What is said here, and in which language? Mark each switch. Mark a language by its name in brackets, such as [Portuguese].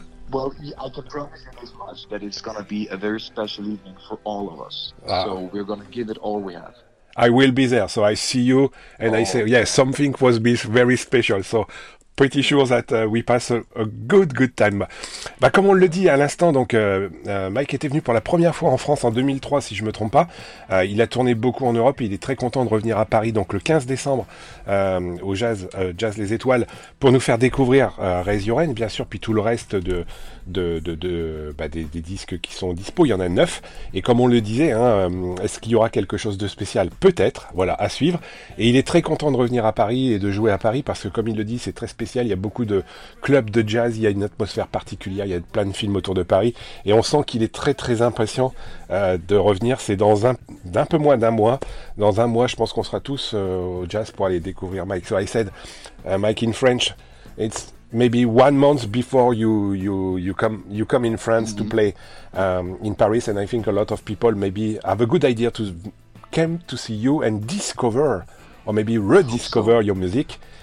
[English] Well, I can promise you as much that it's going to be a very special evening for all of us. Ah. So we're going to give it all we have. I will be there, so I see you, and I say, yes, something was very special, so... Pretty sure that we pass a good, good time. [French] Bah, comme on le dit à l'instant, donc Mike était venu pour la première fois en France en 2003, si je me trompe pas. Il a tourné beaucoup en Europe et il est très content de revenir à Paris, donc le 15 décembre, au Jazz Les Étoiles, pour nous faire découvrir Raise Your Hand, bien sûr, puis tout le reste des disques qui sont dispo. Il y en a 9. Et comme on le disait, hein, est-ce qu'il y aura quelque chose de spécial? Peut-être. Voilà, à suivre. Et il est très content de revenir à Paris et de jouer à Paris, parce que comme il le dit, c'est très spécial, il y a beaucoup de clubs de jazz, il y a une atmosphère particulière, il y a plein de films autour de Paris, et on sent qu'il est très très impatient de revenir. C'est dans un peu moins d'un mois, dans un mois je pense qu'on sera tous au jazz pour aller découvrir Mike. [English] So I said, Mike in French, it's maybe 1 month before you come in France to play in Paris, and I think a lot of people maybe have a good idea to come to see you and discover, or maybe rediscover your music.